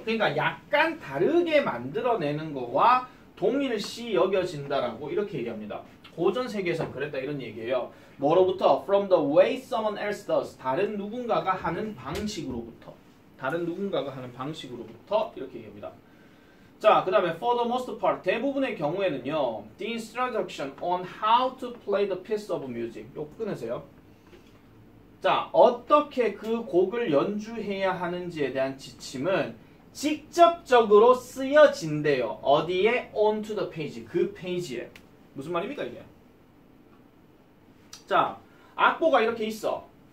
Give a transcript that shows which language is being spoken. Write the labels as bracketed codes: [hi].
[ko] 그러니까 약간 다르게 만들어내는 거와 동일시 여겨진다라고 이렇게 얘기합니다. 고전 세계에서 그랬다 이런 얘기예요. [en] 뭐로부터? From the way someone else does. [ko] 다른 누군가가 하는 방식으로부터. 다른 누군가가 하는 방식으로부터 이렇게 얘기합니다. 자, 그 다음에 [en] for the most part, [ko] 대부분의 경우에는요. [en] The instruction on how to play the piece of music. [ko] 요 끊으세요. 자, 어떻게 그 곡을 연주해야 하는지에 대한 지침은 직접적으로 쓰여진대요. 어디에? [en] Onto the page. [ko] 그 페이지에. 무슨 말입니까, 이게? 자, 악보가 이렇게 있어.